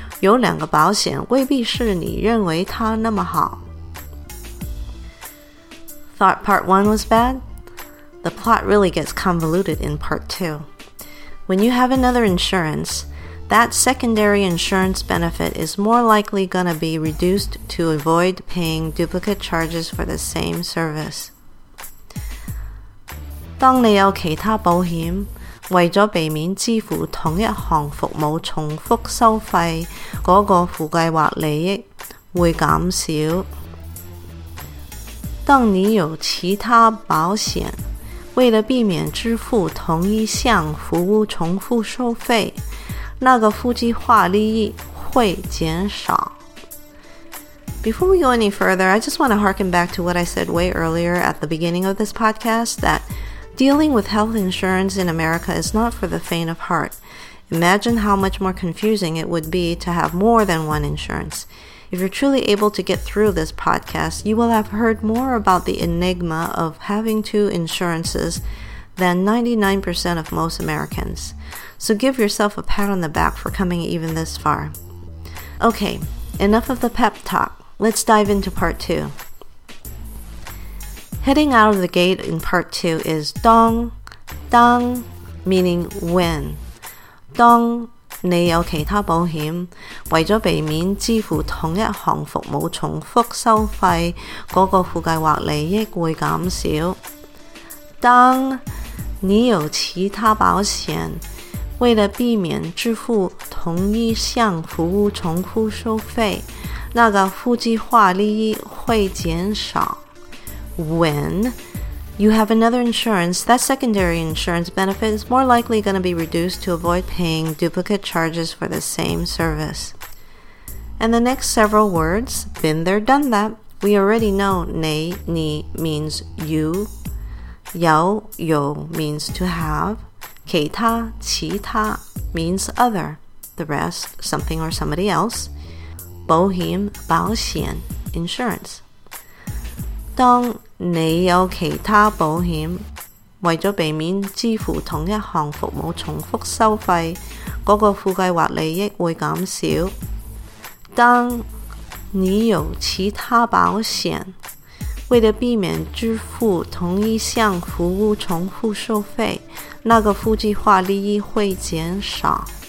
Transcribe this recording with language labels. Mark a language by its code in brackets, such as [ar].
[zh] 有两个保险未必是你认为它那么好。 [en] Thought part one was bad? The plot really gets convoluted in part two. When you have another insurance, that secondary insurance benefit is more likely gonna be reduced to avoid paying duplicate charges for the same service. [zh] 当你有其他保险为了避免支付同一项服务重复收费，那个副计划利益会减少。当你有其他保险，为了避免支付同一项服务重复收费，那个副计划利益会减少。 [en] Before we go any further, I just want to harken back to what I said way earlier at the beginning of this podcast, thatDealing with health insurance in America is not for the faint of heart. Imagine how much more confusing it would be to have more than one insurance. If you're truly able to get through this podcast, you will have heard more about the enigma of having two insurances than 99% of most Americans. So give yourself a pat on the back for coming even this far. Okay, enough of the pep talk. Let's dive into part two. Heading out of the gate in part two is dong, dong, meaning when. [zh] Dong, 你有其他保险，为了避免支付同一项服务重复收费，那个副计划利益会减少。 Dong, 你有其他保险，为了避免支付同一项服务重复收费，那个副计划利益会减少。 [en] When you have another insurance, that secondary insurance benefit is more likely going to be reduced to avoid paying duplicate charges for the same service. And the next several words, been there, done that, we already know 你, 你 means you, 要, 有 means to have, 其他, 其他 means other, the rest, something or somebody else, 保险, 保险, insurance. [zh] 当你有其他保险，为了避免支付同一项服务重复收费，那个副计划利益会减少。当你有其他保险，为了避免支付同一项服务重复收费，那个副计划利益会减少。